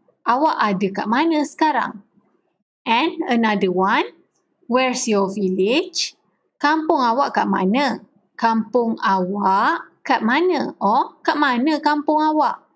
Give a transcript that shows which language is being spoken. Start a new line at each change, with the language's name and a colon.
Malay: Awak ada kat mana sekarang?
English: And another one, where's your village?
Malay: Kampung awak kat mana? Kampung awak kat mana?
English: Or
Malay: kat mana kampung awak?